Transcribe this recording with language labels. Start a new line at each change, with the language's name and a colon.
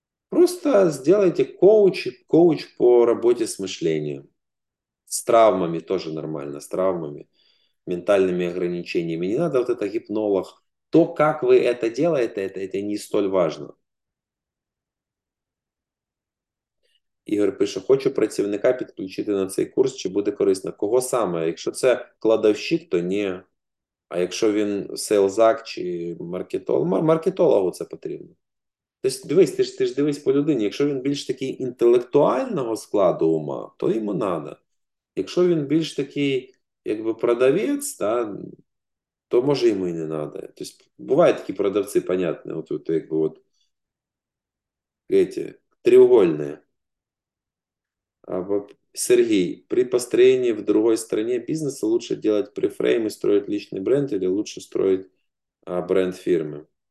Russian: Просто сделайте коуч по работе с мышлением. С травмами тоже нормально, с травмами, ментальными ограничениями. Не надо вот это гипнолог. То, как вы это делаете, это не столь важно.
Ukrainian: Ігор пише, хочу працівника підключити на цей курс, чи буде корисно. Кого саме? Якщо це кладовщик, то ні. А якщо він сейлзак чи маркетолог, маркетологу це потрібно. Тобто дивись, ти ж дивись по людині. Якщо він більш такий інтелектуального складу ума, то йому треба. Якщо він більш такий, якби продавець, да, то може йому і не треба. Тобто бувають такі продавці, понятне, от, якби от, эти, треугольні.
Russian: Сергій, при построении в другой стране бизнеса лучше делать префрейм и строить личный бренд или лучше строить бренд фирмы?